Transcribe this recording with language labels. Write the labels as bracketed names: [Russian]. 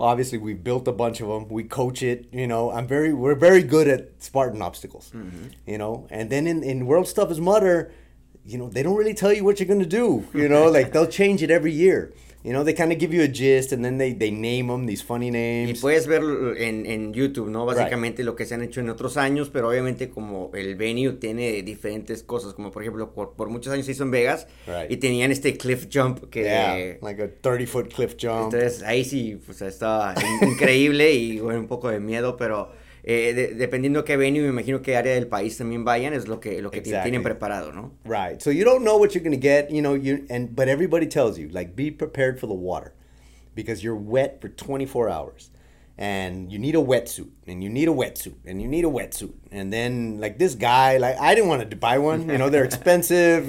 [English] Obviously, we've built a bunch of them. We coach it, you know. We're very good at Spartan obstacles, mm-hmm. you know. And then in World Stuff is Mudder, you know, they don't really tell you what you're going to do, you know. Like, they'll change it every year. You know, they kind of give you a gist, and then they name them these funny names. [Spanish] Y puedes ver en YouTube, ¿no? Básicamente [English] right. [Spanish] Lo que se han hecho en otros años, pero obviamente como el venue tiene diferentes cosas. Como, por ejemplo, por muchos años se hizo en Vegas. [English] Right. [Spanish] Y tenían este [English] cliff jump. [Spanish] Que, [English] yeah, like a 30-foot cliff jump. [Spanish] Entonces, ahí sí, pues, estaba increíble y bueno, un poco de miedo, pero dependiendo qué venue, me imagino qué área del país también vayan, es lo que [English] exactly. [Spanish] Tienen preparado, ¿no? [English] Right. So you don't know what you're going to get, you know, but everybody tells you, like, be prepared for the water because you're wet for 24 hours and you need a wetsuit and you need a wetsuit and you need a wetsuit. And then, like, this guy, like, I didn't want to buy one. You know, they're expensive.